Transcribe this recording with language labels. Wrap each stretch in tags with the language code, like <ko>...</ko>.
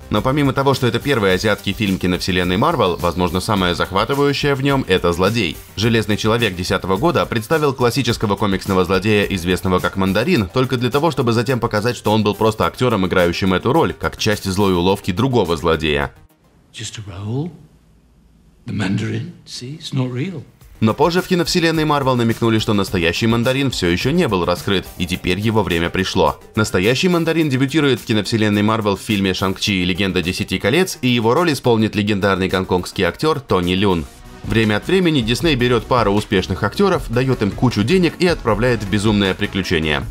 <ru>Но помимо того, что это первый азиатский фильм киновселенной Marvel, возможно, самое захватывающее в нем – это злодей. «Железный человек» 2010 года представил классического комиксного злодея, известного как Мандарин, только для того, чтобы затем показать, что он был просто актером, играющим эту роль, как часть злой уловки другого злодея.</ru> <en>Just a role. The Mandarin, see, it's not real.</en> <ru>Но позже в киновселенной Marvel намекнули, что настоящий Мандарин все еще не был раскрыт, и теперь его время пришло. Настоящий Мандарин дебютирует в киновселенной Marvel в фильме «Шанг-Чи. Легенда десяти колец», и его роль исполнит легендарный гонконгский актер Тони Люн. Время от времени Дисней берет пару успешных актеров, дает им кучу денег и отправляет в безумное приключение.</ru>